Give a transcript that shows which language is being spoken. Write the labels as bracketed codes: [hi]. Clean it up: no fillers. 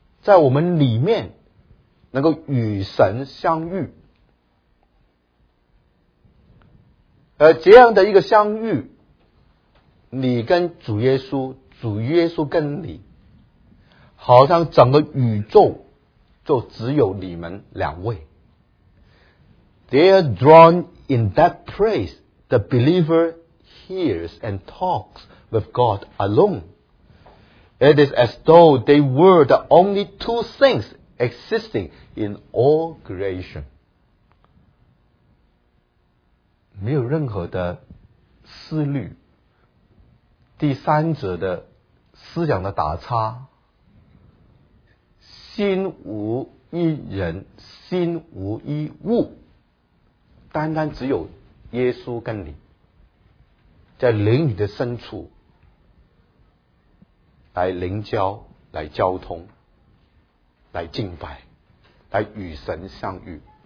[zh] 在我们里面能够与神相遇。这样的一个相遇，你跟主耶稣，主耶稣跟你，好像整个宇宙就只有你们两位。 [en] They are drawn in that place. The believer hears and talks with God alone. It is as though they were the only two things existing in all creation. [zh] 没有任何的思虑，第三者的思想的打叉，心无一人，心无一物，单单只有耶稣跟你，在灵里的深处来灵交，来交通，来敬拜，来与神相遇。